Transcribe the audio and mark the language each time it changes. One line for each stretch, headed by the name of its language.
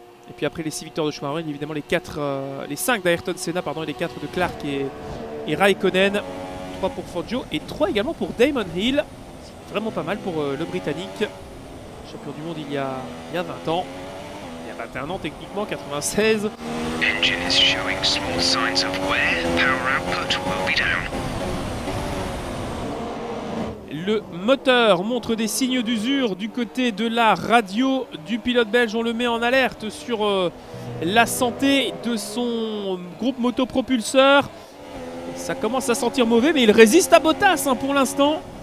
French: Et puis après les 6 victoires de Schumacher, évidemment les 4, les 5 d'Ayrton Senna, pardon, et les 4 de Clark et Raikkonen. 3 pour Fangio et 3 également pour Damon Hill. C'est vraiment pas mal pour le Britannique, champion du monde il y a 20 ans. Il y a 21 ans techniquement, 96.
English: Engine is showing small signs of wear. Power output will be down.
French: Le moteur montre des signes d'usure du côté de la radio du pilote belge. On le met en alerte sur la santé de son groupe motopropulseur. Ça commence à sentir mauvais, mais il résiste à Bottas hein, pour l'instant.